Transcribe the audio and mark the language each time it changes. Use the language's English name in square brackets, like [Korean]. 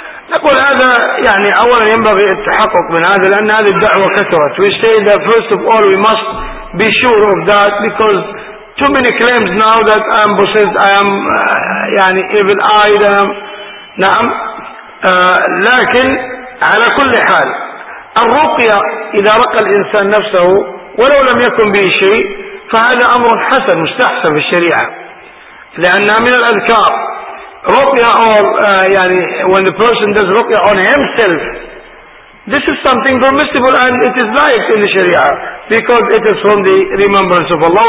[Arabic] نقول هذا يعني أولا ينبغي التحقق من هذا لأن هذه الدعوة كثرت. [English] We say that first of all we must be sure of that because too many claims now that I am possessed, I am يعني evil-eyed. [Arabic] نعم. لكن على كل حال الرقية إذا رقى الإنسان نفسه ولو لم يكن به شيء فهذا أمر حسن مستحسن في الشريعة لأنها من الأذكار. [English] رقية يعني when the person does رقية on himself, this is something permissible and it is right in the شريعة because it is from the remembrance of Allah.